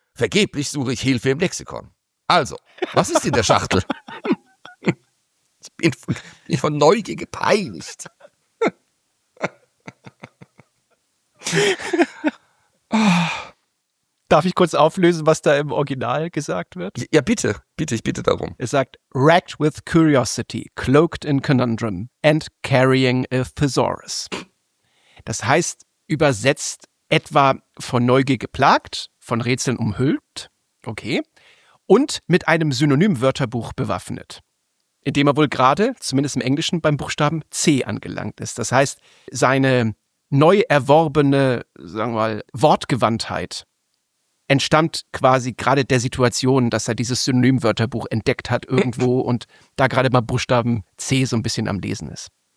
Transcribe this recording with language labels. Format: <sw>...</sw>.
<de>Vergeblich suche ich Hilfe im Lexikon. Also, was ist in der Schachtel? Ich bin von Neugier gepeinigt. Darf ich kurz auflösen, was da im Original gesagt wird? Ja, bitte. Bitte, ich bitte darum. Es sagt,</de> <en>racked with curiosity, cloaked in conundrum, and carrying a thesaurus.</en> <de>Das heißt, übersetzt etwa von Neugier geplagt, von Rätseln umhüllt, okay, und mit einem Synonym-Wörterbuch bewaffnet. Indem er wohl gerade, zumindest im Englischen, beim Buchstaben C angelangt ist. Das heißt, seine neu erworbene, sagen wir mal, Wortgewandtheit entstammt quasi gerade der Situation, dass er dieses Synonymwörterbuch entdeckt hat irgendwo und da gerade mal Buchstaben C so ein bisschen am Lesen ist.</de>